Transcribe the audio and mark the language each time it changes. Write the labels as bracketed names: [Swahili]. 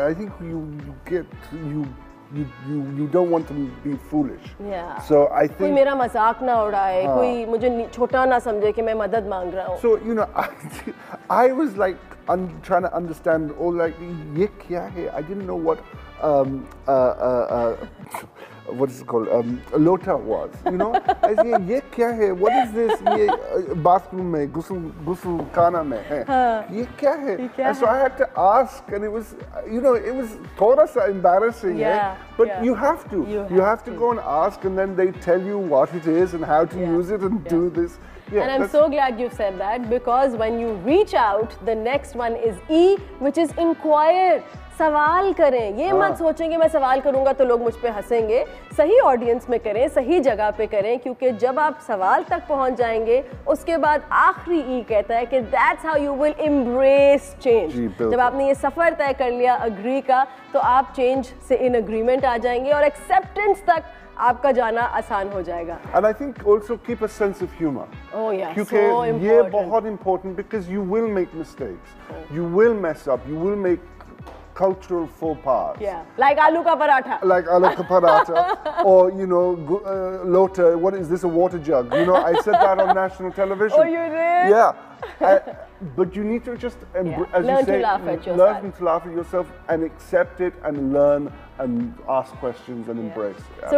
[English] I think you don't want to be foolish. So I think [Hindi] कोई मेरा मजाक ना उड़ाए, कोई मुझे छोटा ना समझे कि मैं मदद मांग रहा हूँ. [English] so you know I was like trying to understand all like [Hindi] ये क्या है. [English] I didn't know what what is it called, lota was, you know? [Hindi] I say, ye kya hai? [English] What is this? [Hindi] Ye bathroom mein, ghusl khana mein hai. Ye kya hai? [English] And so I had to ask, and it was, you know, it was [Hindi] thoda sa [English] embarrassing, yeah, eh? But yeah. You have to go and ask, and then they tell you what it is and how to use it and do this. Yeah, and I'm so glad you said that, because when you reach out, the next one is E, which is inquire. [Hindi] सवाल करें, ये मत सोचें कि मैं सवाल करूंगा तो लोग मुझ पे हंसेंगे. सही ऑडियंस में करें, सही जगह पे करें, क्योंकि जब आप सवाल तक पहुंच जाएंगे उसके बाद आखिरी ई कहता है कि [English] That's how you will embrace change. [Hindi] जब आपने ये सफर तय कर लिया अग्री का, तो आप चेंज से इन अग्रीमेंट आ जाएंगे और एक्सेप्टेंस तक आपका जाना आसान हो जाएगा. [English] And I think also keep a sense of humour. [Hindi] क्योंकि ये बहुत [English] Important, because you will make mistakes, you will mess up, you will make cultural faux pas. Yeah, like aloo ka paratha. Like aloo ka paratha. Or, you know, lota, what is this, a water jug? You know, I said that on national television. Oh, you did? Yeah. But you need to just, learn to laugh at yourself and accept it and learn and ask questions and embrace it.